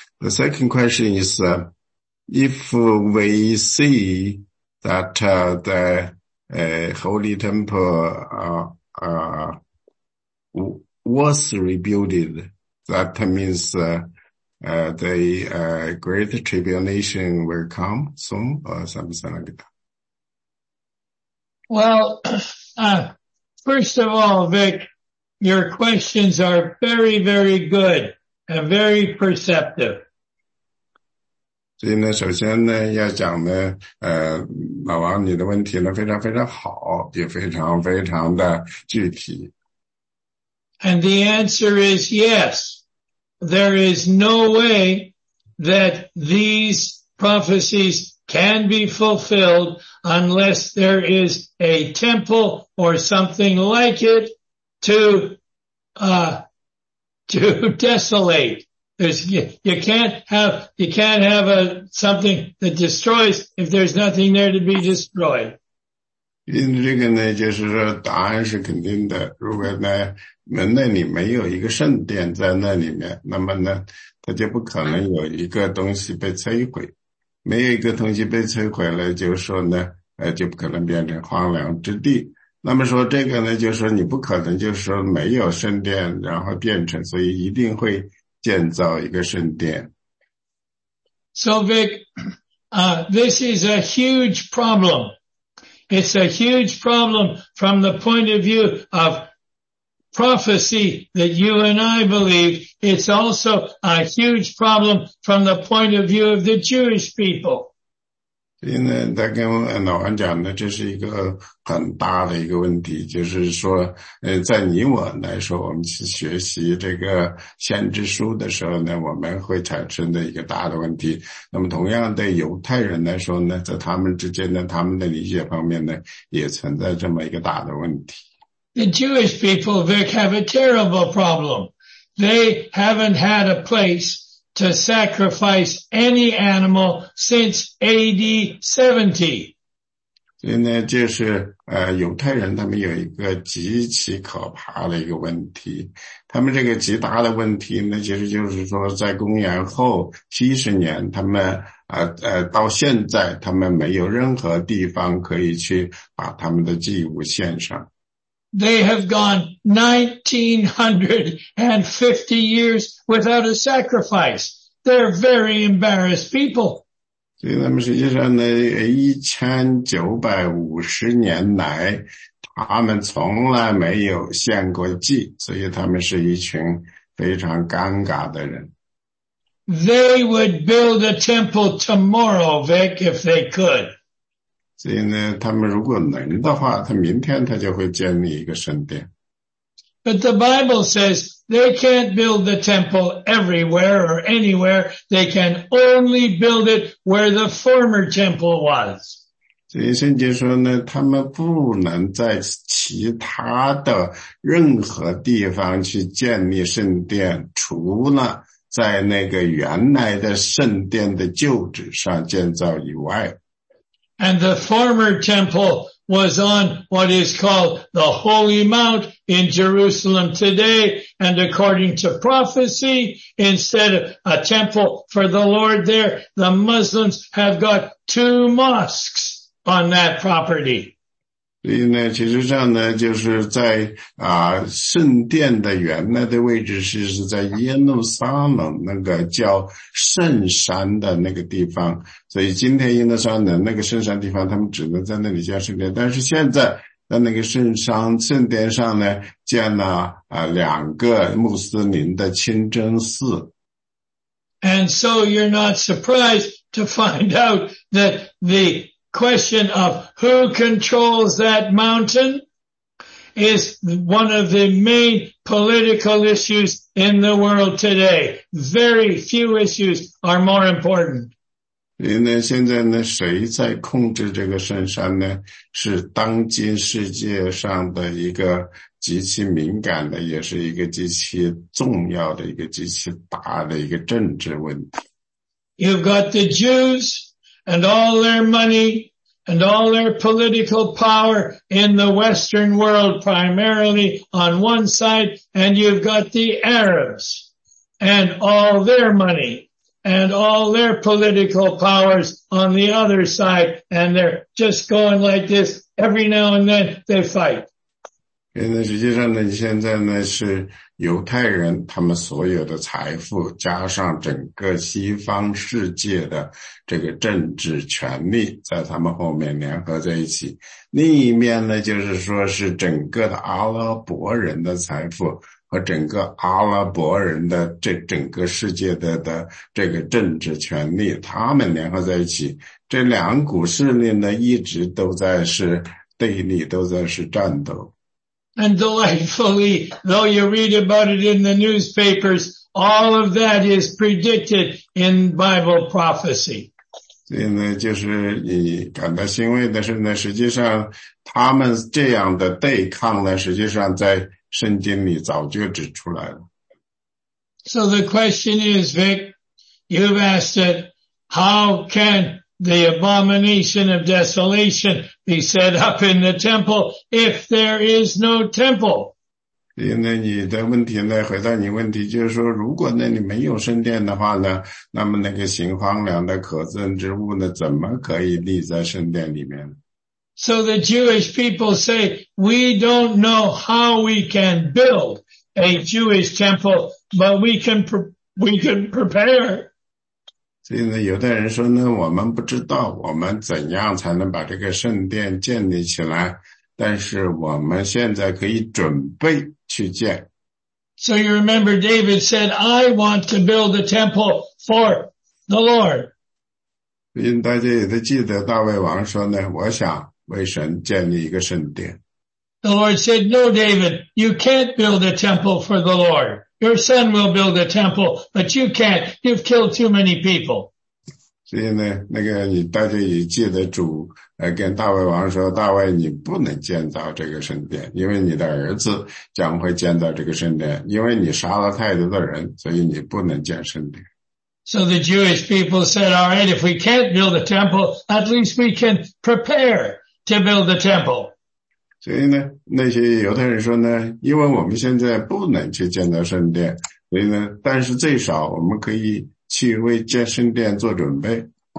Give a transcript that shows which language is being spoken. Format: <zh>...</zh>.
<en>The second question is, if we see that the holy temple was rebuilt, that means the great tribulation will come soon or something like that. Well, first of all, Vic, your questions are very, very good and very perceptive.</en> <zh>所以呢，首先呢，要讲呢，老王，你的问题呢非常非常好，也非常非常的具体。</zh> <en>And the answer is yes. There is no way that these prophecies can be fulfilled unless there is a temple or something like it to desolate. You can't have a something that destroys if there's nothing there to be destroyed.</en> <zh>因为这个呢，就是说答案是肯定的。如果呢，门那里没有一个圣殿在那里面，那么呢，它就不可能有一个东西被摧毁。没有一个东西被摧毁了，就是说呢，就不可能变成荒凉之地。那么说这个呢，就是说你不可能就是说没有圣殿，然后变成，所以一定会建造一个圣殿。</zh> <en>So Vic, this is a huge problem. It's a huge problem from the point of view of prophecy that you and I believe. It's also a huge problem from the point of view of the Jewish people.</en> <zh>所以呢，他跟老王讲呢，这是一个很大的一个问题，就是说，在你我来说，我们去学习这个先知书的时候呢，我们会产生的一个大的问题。那么，同样对犹太人来说呢，在他们之间呢，他们的理解方面呢，也存在这么一个大的问题。</zh> <en>The Jewish people, Vic, have a terrible problem. They haven't had a place. To sacrifice any animal since AD 70.</en> <zh>所以呢，就是犹太人他们有一个极其可怕的一个问题。他们这个极大的问题呢，其实就是说，在公元后70年，他们到现在，他们没有任何地方可以去把他们的祭物献上。</zh> <en>They have gone 1950 years without a sacrifice. They're very embarrassed people.</en> <zh>所以他们实际上呢1950年来他们从来没有献过祭，所以他们是一群非常尴尬的人。</zh> <en>They would build a temple tomorrow, Vic, if they could.</en> <zh>所以呢，他们如果能的话，他明天他就会建立一个圣殿。</zh> <en>But the Bible says they can't build the temple everywhere or anywhere. They can only build it where the former temple was.</en> <zh>所以圣经说呢，他们不能在其他的任何地方去建立圣殿，除了在那个原来的圣殿的旧址上建造以外。</zh> <en>And the former temple was on what is called the Holy Mount in Jerusalem today. And according to prophecy, instead of a temple for the Lord there, the Muslims have got two mosques on that property.</en> <zh>所以呢，其实这样呢，就是在圣殿的原来的位置是在耶路撒冷那个叫圣山的那个地方。所以今天耶路撒冷那个圣山地方，他们只能在那里建圣殿。但是现在在那个圣殿上呢，建了两个穆斯林的清真寺。</zh> <en>And so you're not surprised to find out that the question of who controls that mountain is one of the main political issues in the world today. Very few issues are more important.</en> <zh>因为现在呢，谁在控制这个圣山呢？是当今世界上的一个极其敏感的，也是一个极其重要的，一个极其大的一个政治问题。</zh> <en>You've got the Jews and all their money. And all their political power in the Western world, primarily on one side, and you've got the Arabs and all their money and all their political powers on the other side, and they're just going like this every now and then they fight.</en> <zh>那实际上呢，现在呢是犹太人他们所有的财富加上整个西方世界的这个政治权力在他们后面联合在一起，另一面呢就是说是整个的阿拉伯人的财富和整个阿拉伯人的这整个世界 的这个政治权力，他们联合在一起，这两股势力呢一直都在是对立，都在是战斗。</zh> <en>And delightfully, though you read about it in the newspapers, all of that is predicted in Bible prophecy.</en> <zh>所以呢，就是你感到欣慰的是呢，实际上他们这样的对抗呢，实际上在圣经里早就指出来了。</zh> <en>So the question is, Vic, you've asked it, how can the abomination of desolation be set up in the temple if there is no temple?</en> <zh>那你的问题呢，回答你问题就是说，如果那里没有圣殿的话呢，那么那个行荒凉的可憎之物呢，怎么可以立在圣殿里面？</zh> <en>So the Jewish people say, we don't know how we can build a Jewish temple, but we can prepare.</en> <zh>所以呢，有的人说呢，我们不知道我们怎样才能把这个圣殿建立起来，但是我们现在可以准备去建。</zh> <en>So you remember David said, I want to build a temple for the Lord.</en> <zh>所以大家也都记得大卫王说呢，我想为神建立一个圣殿。</zh> <en>The Lord said, No, David, you can't build a temple for the Lord. Your son will build a temple, but you can't. You've killed too many people.</en> <zh>所以呢，那个你大家也记得主跟大卫王说，大卫你不能建造这个圣殿，因为你的儿子将会建造这个圣殿，因为你杀了太多的人，所以你不能建圣殿。</zh> <en>So the Jewish people said, All right, if we can't build a temple, at least we can prepare to build the temple.</en> <zh>所以呢，那些犹太人说呢，因为我们现在不能去建造圣殿，所以呢，但是最少我们可以去为建圣殿做准备。</zh>